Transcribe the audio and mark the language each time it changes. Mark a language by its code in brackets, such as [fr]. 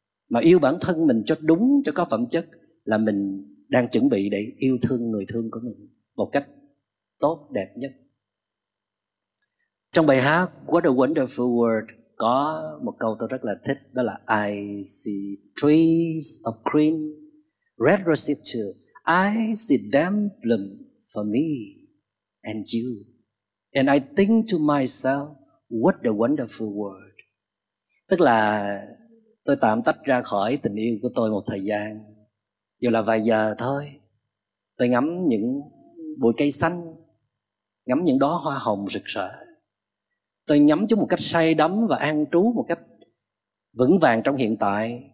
[vi] Mà yêu bản thân mình cho đúng, cho có phẩm chất là mình đang chuẩn bị để yêu thương người thương của mình một cách tốt đẹp nhất. Trong bài hát What a Wonderful World có một câu tôi rất là thích, đó là [en] I see trees of green, red roses too. I see them bloom for me and you. And I think to myself, what a wonderful world. [vi] Tức là tôi tạm tách ra khỏi tình yêu của tôi một thời gian, dù là vài giờ thôi. Tôi ngắm những bụi cây xanh, ngắm những đóa hoa hồng rực rỡ. Tôi nhắm chúng một cách say đắm và an trú một cách vững vàng trong hiện tại.